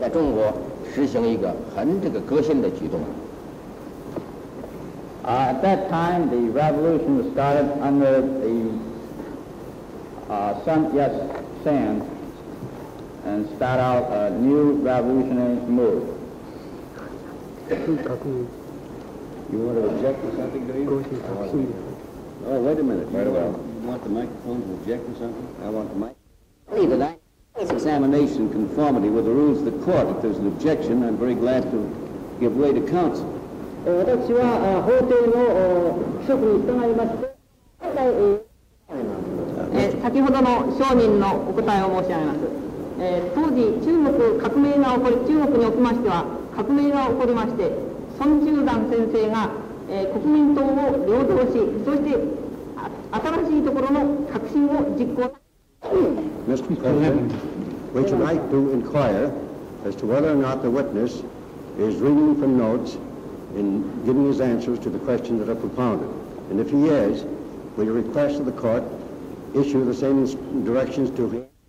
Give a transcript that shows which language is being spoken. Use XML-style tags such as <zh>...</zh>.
<zh>在中国实行一个很这个革新的举动。</zh> <en>At that time, the revolution was started under the Sun Yat-sen, and start out a new revolutionary move. You want to object to something, do you? Oh, wait a minute. Right away. You want the microphone to object to something? I want the mic. Believe it, it's examination conformity with the rules of the court. If there's an objection, I'm very glad to give way to counsel.</en> <ja>私は法廷の規則に従いまして、先ほどの証人のお答えを申し上げます。当時、中国革命が起こり、中国におきましては、革命が起こりまして、孫中山先生が、国民党を領導し、そして新しいところの革新を実行されました。</ja> <en>Which I do inquire as to whether or not the witness is reading from notes. In giving his answers to the questions that are propounded. And if he is, will you request that the court issue the same directions to him?</en>